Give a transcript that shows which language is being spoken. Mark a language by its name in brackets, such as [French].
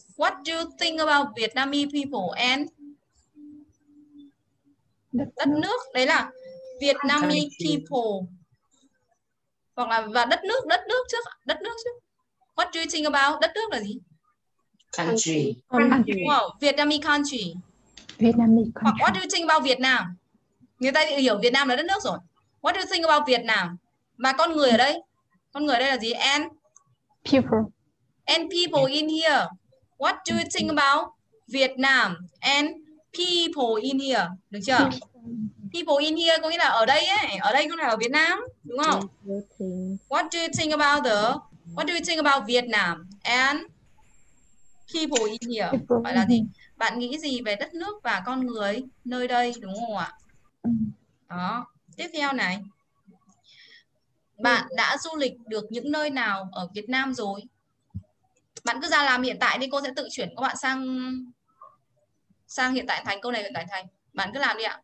[English] What do you think about Vietnamese people and đất nước? [Vietnamese] Đấy là [English] Vietnamese people. [Vietnamese] Hoặc là và đất nước trước. [English] What do you think about [Vietnamese] đất nước là gì? [English] Country. Wow, Vietnamese country. Vietnamese country. Hoặc what do you think about Vietnam? [Vietnamese] Người ta hiểu Việt Nam là đất nước rồi. [English] What do you think about Vietnam? [Vietnamese] Mà con người ở đây, con người ở đây là gì? [English] And people. And people in here. What do you think about Vietnam and people in here? [Vietnamese] Được chưa? [English] People in here [Vietnamese] có nghĩa là ở đây ấy, ở đây có nghĩa là ở Việt Nam, đúng không? [English] What do you think about Vietnam and people in here? [Vietnamese] Vậy là gì? Bạn nghĩ gì về đất nước và con người nơi đây, đúng không ạ? Đó, tiếp theo này. Bạn đã du lịch được những nơi nào ở Việt Nam rồi? Bạn cứ ra làm hiện tại đi, cô sẽ tự chuyển các bạn sang hiện tại thành, câu này hiện tại thành. Bạn cứ làm đi ạ.